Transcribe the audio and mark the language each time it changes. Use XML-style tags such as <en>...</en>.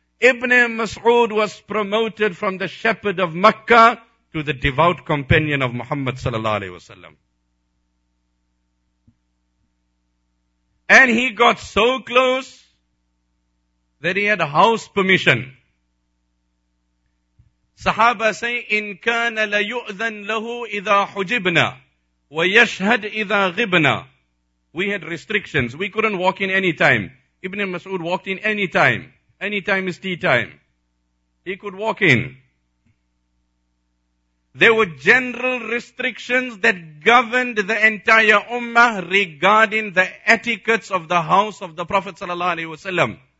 <en>Ibn Mas'ud was promoted from the shepherd of Mecca to the devout companion of Muhammad sallallahu alaihi wasallam. And he got so close that he had house permission.</en> <ar>Sahaba say, إِن كَانَ لَيُؤْذَن لَهُ إِذَا حُجِبْنَا وَيَشْهَدْ إِذَا غِبْنَا.</ar> <en>We had restrictions. We couldn't walk in any time. Ibn Mas'ud walked in any time. Any time is tea time. He could walk in. There were general restrictions that governed the entire ummah regarding the etiquettes of the house of the Prophet sallallahu alaihi wasallam.</en>